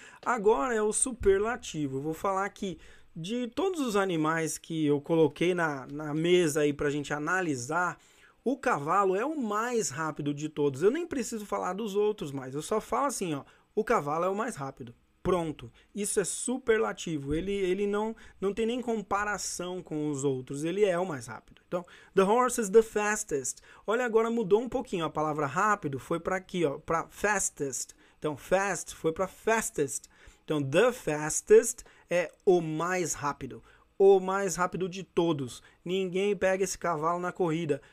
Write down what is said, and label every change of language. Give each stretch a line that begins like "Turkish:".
Portuguese: Agora é o superlativo. Eu vou falar aqui de todos os animais que eu coloquei na mesa aí para a gente analisar. O cavalo é o mais rápido de todos. Eu nem preciso falar dos outros mais. Eu só falo assim, ó. O cavalo é o mais rápido. Pronto. Isso é superlativo. Ele não tem nem comparação com os outros. Ele é o mais rápido.
English: Então, the horse is the fastest.
Portuguese: Olha, agora mudou um pouquinho. A palavra rápido foi para aqui, ó, para fastest. Então, fast foi para fastest. Então, the fastest é o mais rápido. O mais rápido de todos. Ninguém pega esse cavalo na corrida.